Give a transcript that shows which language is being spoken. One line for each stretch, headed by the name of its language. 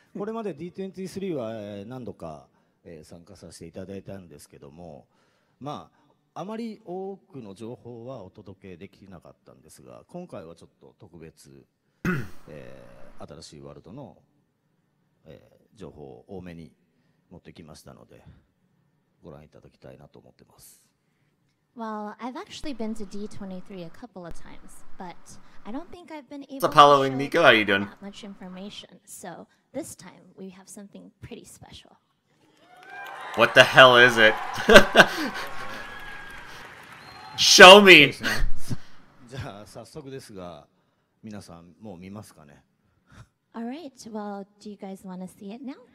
Japanese: これまで D23 は何度か参加させていただいたんですけども、まあ、あまり多くの情報はお届けできなかったんですが、今回はちょっと特別、新しいワールドの、情報を多めに持ってきましたので、ご覧いただきたいなと思ってます。
English: Well, I've actually been to D23 a couple of times, but I don't think I've been able to show you that much information. So this time we have something pretty special. What the hell is it? Show me.
Japanese: じゃあ早速ですが、皆さんもう見ますかね?
English: All right. Well, do you guys want to see it now?